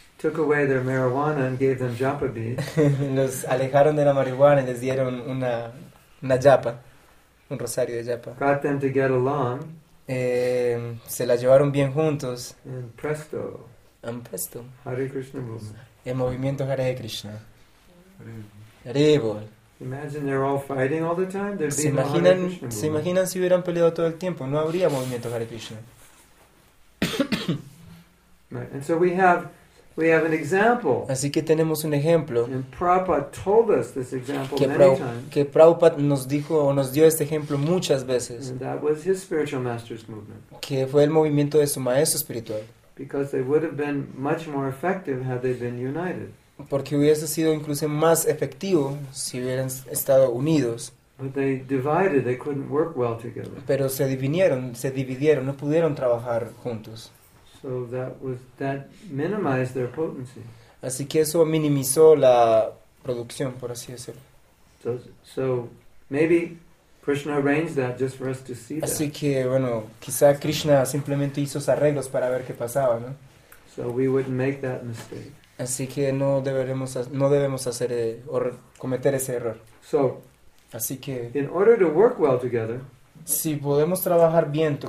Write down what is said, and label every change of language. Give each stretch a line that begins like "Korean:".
English: Took away their marijuana and gave them japa beads.
Spanish: Los alejaron de la marihuana y les dieron una japa, un rosario de japa.
English: Got them to get along.
Spanish: Se la llevaron bien juntos.
English: And presto. And presto. Hare Krishna movement.
Spanish: El movimiento Hare Krishna. Hare Bol.
English: Imagine they're all fighting all the time. There'd
Spanish: se
English: be
Spanish: imaginan,
English: no Hare Krishna.
Spanish: Se imaginan si hubieran peleado todo el tiempo, no habría movimiento Hare Krishna.
English: Right. And so we have an example.
Spanish: Así que tenemos un ejemplo.
English: And Prabhupada told us this example
Spanish: que
English: many times.
Spanish: Que Prabhupada nos dijo o nos dio este ejemplo muchas veces.
English: And that was his spiritual master's movement.
Spanish: Que fue el movimiento de su maestro espiritual.
English: Because they would have been much more effective had they been united.
Spanish: Porque hubiese sido incluso más efectivo si hubieran estado unidos.
English: But they divided, they couldn't work well together.
Spanish: Pero se dividieron, no pudieron trabajar juntos.
English: So that minimized their potency.
Spanish: Así que eso minimizó la producción, por así decirlo.
English: So maybe Krishna arranged that just for us to see that.
Spanish: Así que bueno, quizá Krishna simplemente hizo esos arreglos para ver qué pasaba, ¿no?
English: So we wouldn't make that mistake.
Spanish: Así que no debemos hacer o cometer ese error.
English: So
Spanish: así que,
English: in order to work well together,
Spanish: si podemos trabajar bien